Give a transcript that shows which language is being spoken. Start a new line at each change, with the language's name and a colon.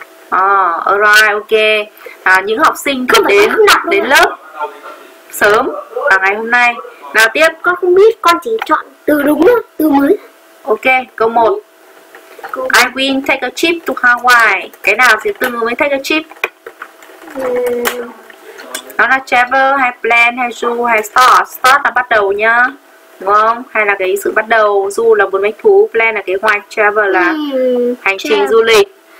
English: Alright, ok.
Vietnamese: À, những học sinh cứ đến đọc đến rồi. Lớp sớm vào ngày hôm nay. Nào tiếp. Con không biết, con chỉ chọn từ đúng thôi, từ mới. Ok, câu 1.
English: I will take a trip to Hawaii.
Vietnamese: Cái nào thì từ mới
English: take a trip?
Vietnamese: Nó là travel hay plan hay do hay start. Start là bắt đầu nhá. Đúng không? Hay là cái sự bắt đầu. Do là bốn bánh thú, plan là kế hoạch, travel là hành trình du lịch.